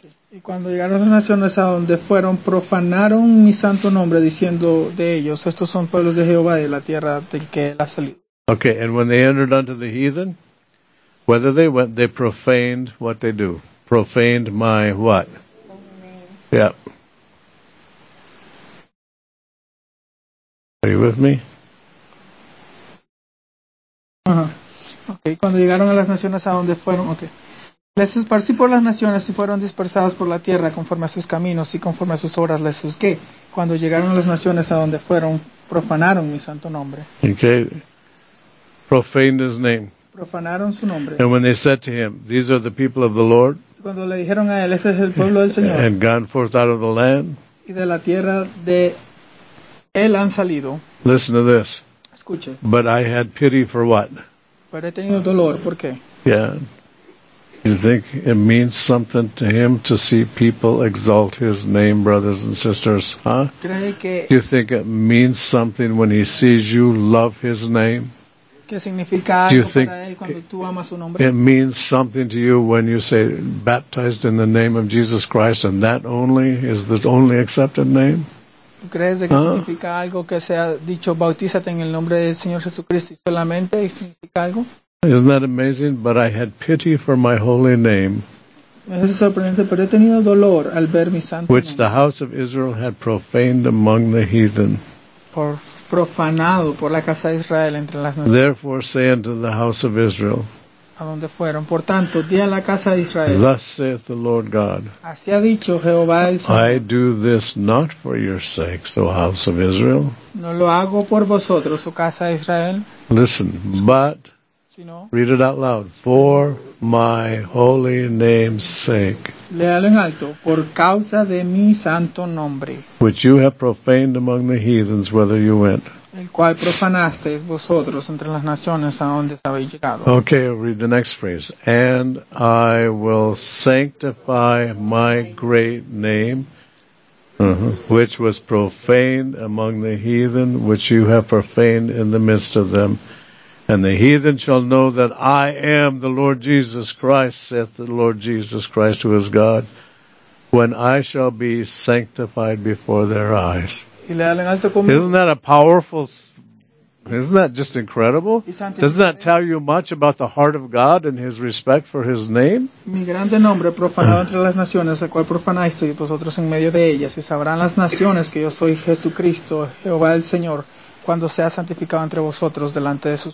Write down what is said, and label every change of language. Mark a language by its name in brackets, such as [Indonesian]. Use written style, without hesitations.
[Spanish] Y cuando llegaron las naciones a donde fueron, profanaron mi santo nombre, diciendo de ellos, estos son pueblos de Jehová y la tierra del que él ha salido. [English] Okay, and when they entered unto the heathen, whether they went, they profaned what they do. Profaned my what? Yeah. Are you with me? Okay. [Spanish] Cuando llegaron a las naciones a donde fueron, okay. Les esparcí por las naciones y fueron dispersados por la tierra conforme a sus caminos y conforme a sus obras les juzgué. Cuando llegaron a las naciones a donde fueron, profanaron mi santo nombre. [English] Okay. Profaned his name. [Spanish] Profanaron su nombre. [English] And when they said to him, these are the people of the Lord. [Spanish] Cuando le dijeron a él, este es el pueblo del Señor. [English] And gone forth out of the land. [Spanish] Y de la tierra de él han salido. [English] Listen to this. [Spanish] Escuche. [English] But I had pity for what? [Spanish] Pero he tenido dolor, ¿por qué? [English] Yeah. You think it means something to him to see people exalt his name, brothers and sisters, huh? [Spanish] ¿Cree que [English] you think it means something when he sees you love his name? [Spanish] ¿Qué significa algo [English] do you think [Spanish] para él cuando tú amas su nombre? [English] It means something to you when you say baptized in the name of Jesus Christ and that only is the only accepted name? [Spanish] ¿Crees de que significa algo que sea dicho bautízate en el nombre del Señor Jesucristo y solamente significa algo? [English] Isn't that amazing? But I had pity for my holy name. [Spanish] Es sorprendente, pero he tenido dolor al ver mi santo nombre. [English] Which the house of Israel had profaned among the heathen. [Spanish] Por profanado por la casa de Israel entre las naciones. [English] Therefore say unto the house of Israel. [Spanish] A donde fueron. Por tanto, di a la casa de Israel. [English] Thus saith the Lord God. [Spanish] Así ha dicho Jehová el Señor. [English] I do this not for your sakes, O house of Israel. [Spanish] No lo hago por vosotros, O casa de Israel. [English] Listen, but, [Spanish] si no, [English] read it out loud, for my holy name's sake. [Spanish] Léalo en alto, por causa de mi santo nombre. [English] Which you have profaned among the heathens, whether you went. [Spanish] El cual profanaste vosotros entre las naciones a donde habéis llegado. [English] Okay, read the next phrase. And I will sanctify my great name, which was profaned among the heathen, which you have profaned in the midst of them. And the heathen shall know that I am the Lord Jesus Christ, saith the Lord Jesus Christ, who is God, when I shall be sanctified before their eyes. Isn't that a powerful, isn't that just incredible? Doesn't that tell you much about the heart of God and his respect for his name? [Spanish] Mi grande nombre profanado entre las naciones, el cual profanasteis vosotros en medio de ellas, y sabrán las naciones que yo soy Jesucristo, Jehová el Señor, cuando sea santificado entre vosotros delante de sus